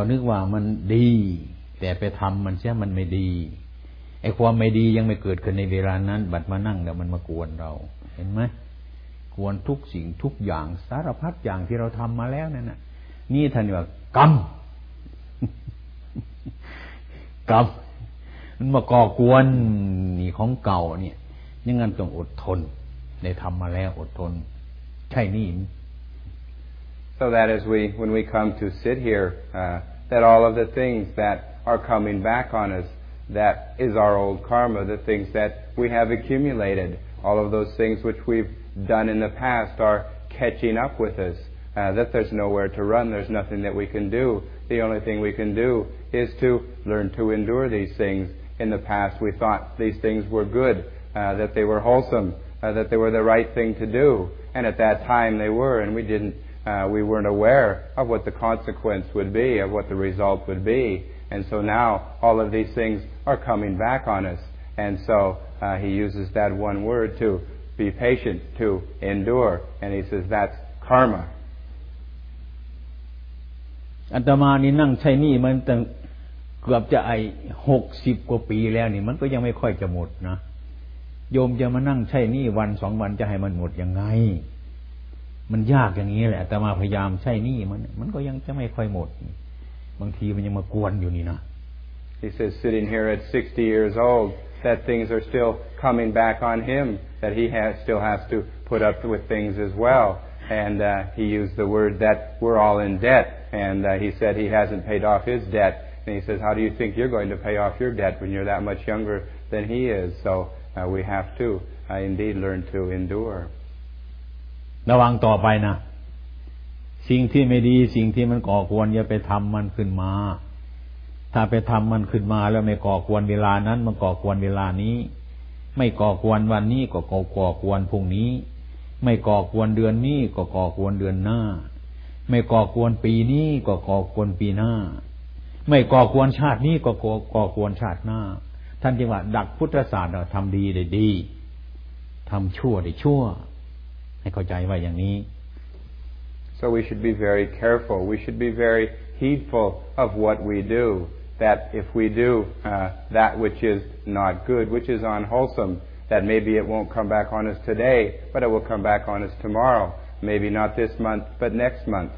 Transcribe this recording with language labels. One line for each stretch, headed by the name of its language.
Thai: นึกว่ามันดีแต่ไปทำมันเสียมันไม่ดีไอ้ความไม่ดียังไม่เกิดขึ้นในเวลานั้นบัดมานั่งแล้วมันมากวนเราเห็นไหมกวนทุกสิ่งทุกอย่างสารพัดอย่างที่เราทำมาแล้วนั่นน่ะนี่ท่านว่ากรรมกรรมมันมาก่อกวนนี่ของเก่าเนี่ยนี่งั้นต้องอดทนได้ทำมาแล้วอดทนใช่นี่
English: So that as when we come to sit here that all of the things that are coming back on us that is our old karma the things that we have accumulated all of those things which we've done in the past are catching up with us that there's nowhere to run there's nothing that we can do the only thing we can do is to learn to endure these thingsIn the past, we thought these things were good, that they were wholesome, that they were the right thing to do. And at that time, they were, and we weren't aware of what the consequence would be, of what the result would be. And so now, all of these things are coming back on us. And so he uses that one word to be patient, to endure. And he says, that's karma.
Thai: Atamani nang chai ni man tangเกือบจะไอ60กว่าปีแล้วนี่มันก็ยังไม่ค่อยจะหมดนะโยมจะมานั่งใช้นี่วัน2วันจะให้มันหมดยังไงมันยากอย่างนี้แหละอาตมาพยายามใช้นี่มันก็ยังจะไม่ค่อยหมดบางทีมันยังมากวนอยู่นี่นะ
English: He says sitting here at 60 years old that things are still coming back on him that he still has to put up with things as well and he used the word that we're all in debt and he said he hasn't paid off his debtAnd he says, how do you think you're going to pay off your debt when you're that much younger than he is? So we have to indeed learn to endure.
Thai: ระวังต่อไปนะสิ่งที่ไม่ดีสิ่งที่มันก่อกวนอย่าไปทำมันขึ้นมาถ้าไปทำมันขึ้นมาแล้วไม่ก่อกวนเวลานั้นมันก่อกวนเวลานี้ไม่ก่อกวนวันนี้ก็ก่อกวนพรุ่งนี้ไม่ก่อกวนเดือนนี้ก็ก่อกวนเดือนหน้าไม่ก่อกวนปีนี้ก็ก่อกวนปีหน้า ไม่ก่อกวนชาตินี้ก็ก่อกวนชาติหน้าท่านจึงว่าดักพุทธศาสตร์ทำดีได้ดีทำชั่วได้ชั่วให้เข้าใจว่าอย่างนี้
English: So we should be very careful we should be very heedful of what we do that if we do that which is not good which is unwholesome that maybe it won't come back on us today but it will come back on us tomorrowMaybe not this month, but next month.